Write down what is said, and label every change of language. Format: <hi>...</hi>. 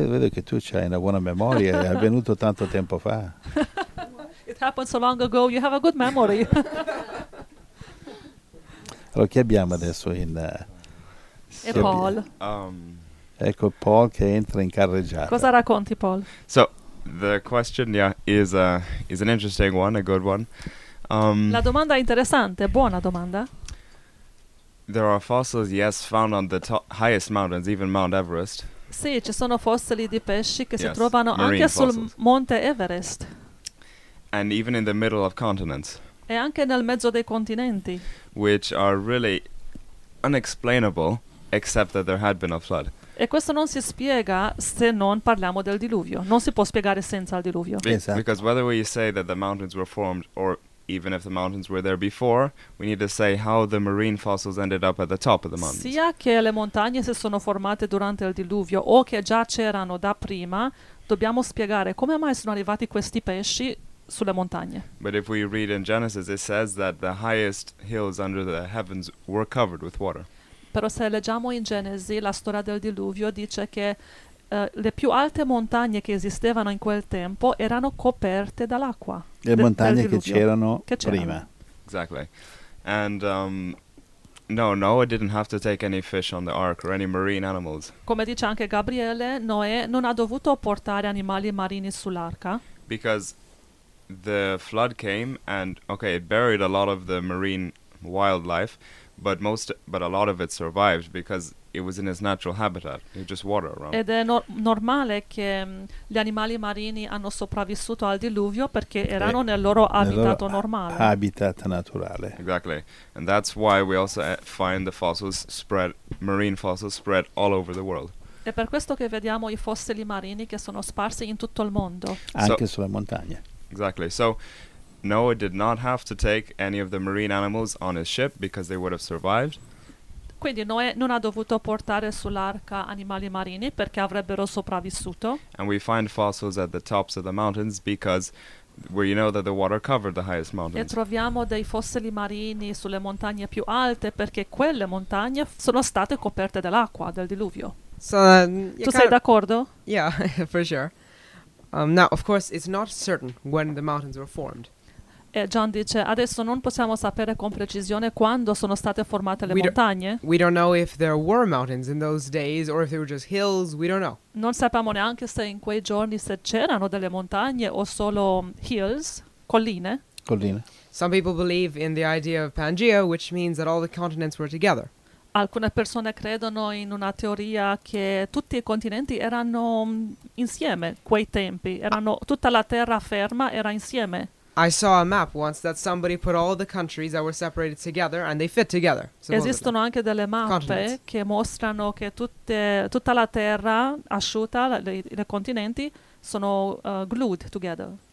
<it>Vedo che tu hai una buona memoria, è avvenuto tanto tempo fa.</it> <en>It happened so long ago, you have a good memory.</en> <it>Allora, che abbiamo adesso in... E Paul. Ecco, Paul che entra in carreggiata. Cosa racconti, Paul?</it> <en>So, the question, is an interesting one, a good one.</en> <it>La domanda è interessante, buona domanda.</it> <en>There are fossils, yes, found on the highest mountains, even Mount Everest.</en> <it>Sì, ci sono fossili di pesci che si trovano anche sul Monte Everest.</it> <en>And even in the middle of continents.</en> <it>E anche nel mezzo dei continenti.</it> <en>Which are really unexplainable, except that there had been a flood.</en> <it>E questo non si spiega se non parliamo del diluvio. Non si può spiegare senza il diluvio. Esatto.</it> <en>Because whether we say that the mountains were formed or even if the mountains were there before, we need to say how the marine fossils ended up at the top of the mountains.</en> <it>Sia che le montagne si sono formate durante il diluvio o che già c'erano da prima, dobbiamo spiegare come mai sono arrivati questi pesci sulle montagne.</it> <en>But if we read in Genesis, it says that the highest hills under the heavens were covered with water.</en> <it>Però se leggiamo in Genesi la storia del diluvio dice che le più alte montagne che esistevano in quel tempo erano coperte dall'acqua. Le montagne che c'erano prima.</it> <en>Exactly. And Noah didn't have to take any fish on the ark or any marine animals.</en> <it>Come dice anche Gabriele, Noè non ha dovuto portare animali marini sull'arca.</it> <en>Because the flood came and it buried a lot of the marine wildlife, but a lot of it survived because it was in its natural habitat. It just water around.</en> <it>Ed è normale che gli animali marini hanno sopravvissuto al diluvio perché erano nel loro habitat normale. Habitat naturale.</it> <en>Exactly. And that's why we also find the fossils spread, marine fossils spread all over the world.</en> <it>È per questo che vediamo i fossili marini che sono sparsi in tutto il mondo. Anche sulle montagne.</it> <en>Exactly. So Noah did not have to take any of the marine animals on his ship because they would have survived.</en> <it>Quindi Noè non ha dovuto portare sull'arca animali marini perché avrebbero sopravvissuto.</it> <en>And we find fossils at the tops of the mountains because that the water covered the highest mountains.</en> <it>E troviamo dei fossili marini sulle montagne più alte perché quelle montagne sono state coperte dall'acqua del diluvio.</it> <en>So,</en> <it>tu sei d'accordo?</it> <en>Yeah, for sure. Now, of course, it's not certain when the mountains were formed.</en> <it>E John dice, adesso non possiamo sapere con precisione quando sono state formate le montagne.</it> <en>We don't know if there were mountains in those days or if they were just hills, we don't know.</en> <it>Non sappiamo neanche se in quei giorni se c'erano delle montagne o solo hills, colline. Colline.</it> <en>Some people believe in the idea of Pangaea, which means that all the continents were together.</en> <it>Alcune persone credono in una teoria che tutti i continenti erano insieme quei tempi, erano tutta la terra ferma era insieme.</it> <en>I saw a map once that somebody put all the countries that were separated together and they fit together. Supposedly.</en> <it>Esistono anche delle mappe che mostrano che tutta la terra asciutta, i continenti sono</it> <en>glued together.</en>